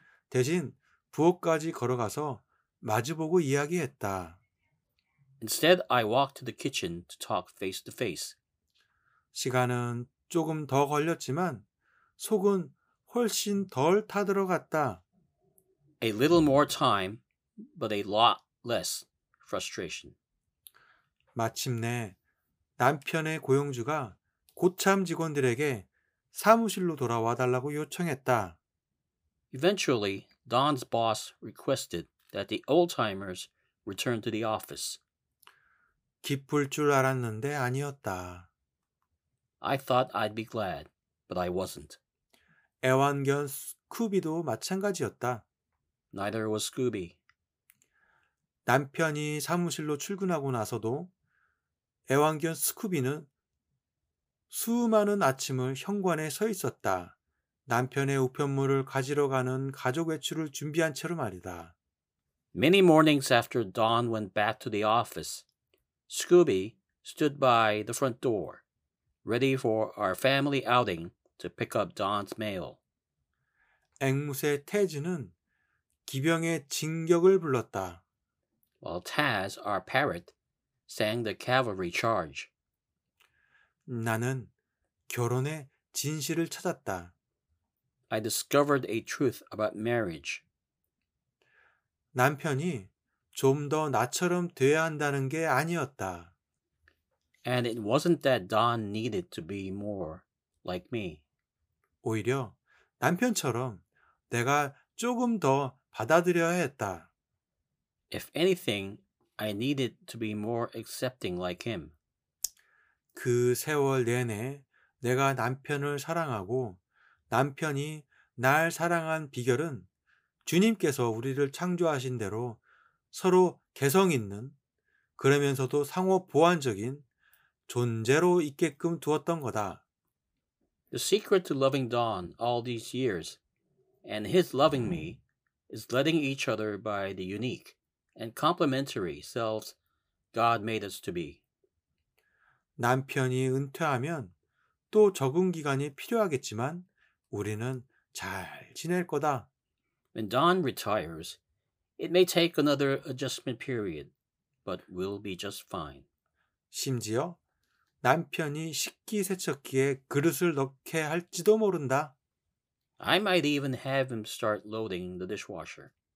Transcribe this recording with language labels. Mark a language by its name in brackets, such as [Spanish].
[Korean] 대신 부엌까지 걸어가서 마주보고 이야기했다. [English] Instead, I walked to the kitchen to talk face to face. [Korean] 시간은 조금 더 걸렸지만 속은 훨씬 덜 타들어갔다. [English] A little more time, but a lot less frustration. [Korean] 마침내 남편의 고용주가 고참 직원들에게 사무실로 돌아와 달라고 요청했다. [English] Eventually, Don's boss requested that the old-timers return to the office. [Korean] 기쁠 줄 알았는데 아니었다. [English] I thought I'd be glad, but I wasn't. [Korean] 애완견 스쿠비도 마찬가지였다. [English] Neither was Scooby. [Korean] 남편이 사무실로 출근하고 나서도 애완견 스쿠비는 수많은 아침을 현관에 서 있었다. 남편의 우편물을 가지러 가는 가족 외출을 준비한 채로 말이다. [English] Many mornings after Don went back to the office, Scooby stood by the front door, ready for our family outing to pick up Don's mail. [Korean] 앵무새 태즈는 기병의 진격을 불렀다. [English] While Taz, our parrot, sang the cavalry charge. [Korean] 나는 결혼의 진실을 찾았다. [English] I discovered a truth about marriage. [Korean] 남편이 좀 더 나처럼 돼야 한다는 게 아니었다. [English] And it wasn't that Don needed to be more like me. [Korean] 오히려 남편처럼 내가 조금 더 받아들여야 했다. [English] If anything, I needed to be more accepting like him. [Korean] 그 세월 내내 내가 남편을 사랑하고 남편이 날 사랑한 비결은 주님께서 우리를 창조하신 대로 서로 개성 있는 그러면서도 상호 보완적인 존재로 있게끔 두었던 거다. [English] The secret to loving Don all these years and his loving me is letting each other by the unique and complementary selves God made us to be. [Korean] 남편이 은퇴하면 또 적응 기간이 필요하겠지만 우리는 잘 지낼 거다. [English] When Don retires, it may take another adjustment period, but we'll be just fine. [Korean] 심지어 남편이 식기세척기에 그릇을 넣게 할지도 모른다. [English] I might even have him start loading the dishwasher.